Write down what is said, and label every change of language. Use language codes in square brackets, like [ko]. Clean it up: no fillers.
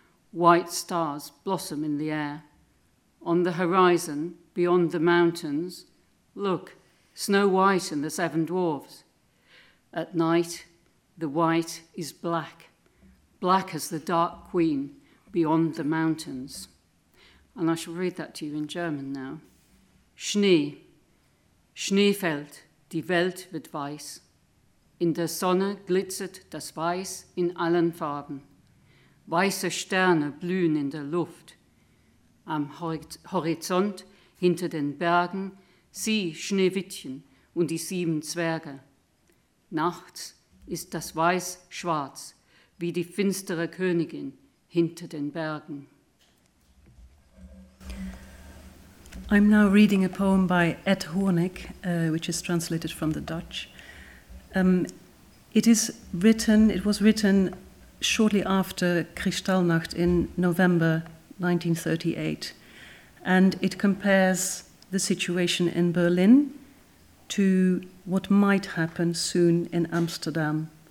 [en] White stars blossom in the air. On the horizon, beyond the mountains, look, Snow White and the Seven Dwarfs. At night, the white is black, black as the Dark Queen beyond the mountains. And I shall read that to you in German now. [de] Schnee. Schnee fällt, die Welt wird weiß. In der Sonne glitzert das Weiß in allen Farben. Weiße Sterne blühen in der Luft. Am Horizont hinter den Bergen sieh Schneewittchen und die sieben Zwerge. Nachts ist das Weiß schwarz wie die finstere Königin hinter den Bergen. [en] I'm now reading a poem by Ed Hornick, which is translated from the Dutch. It was written shortly after Kristallnacht in November 1938, and it compares the situation in Berlin to what might happen soon in Amsterdam.